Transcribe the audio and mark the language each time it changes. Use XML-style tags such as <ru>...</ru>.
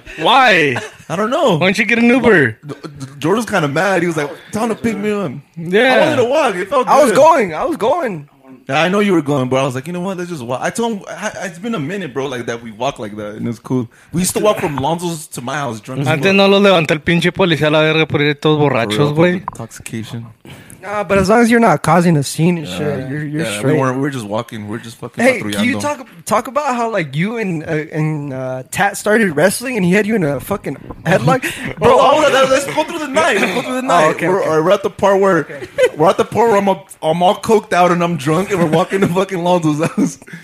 <en>Fuck. Why? I don't know. Why don't you get an Uber? Jordan's kind of mad. He was like, time to pick me up. Yeah. I wanted to walk. It felt good. I was going. Yeah, I know you were going, but I was like, you know what? Let's just walk. I told him, it's been a minute, bro, like that we walk like that, and it's cool. We used to walk from Lonzo's to my house drunk.</en> <es>Antes no lo levanté el pinche policía a la verga por ir todos borrachos, güey.</es> <en>Intoxication. Nah, but as long as you're not causing a scene and shit, you're straight. Yeah, we're just walking. We're just fucking</en> <es>patrullando.</es> <en>Hey, can you talk about how, like, you and Tat started wrestling and he had you in a fucking headlock? Bro, hold on. Let's go through the night. We're at the part where I'm all coked out and I'm drunk and we're walking to fucking Lonzo's house.</en>